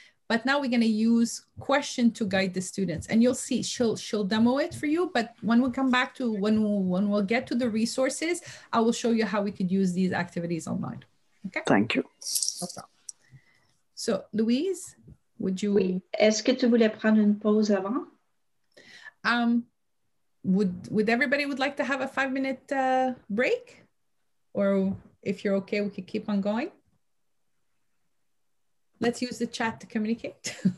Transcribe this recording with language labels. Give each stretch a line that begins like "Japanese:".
English: But now we're going to use question to guide the students, and you'll see she'll demo it for you. But when we come back to when we'll get to the resources, I will show you how we could use these activities online. Okay. Thank you. So Louise, would you?
French: Oui. Est-ce que tu voulais prendre une pause avant?
English: Would everybody would like to have a 5 minute break, or if you're okay, we could keep on going. Let's use the chat to communicate.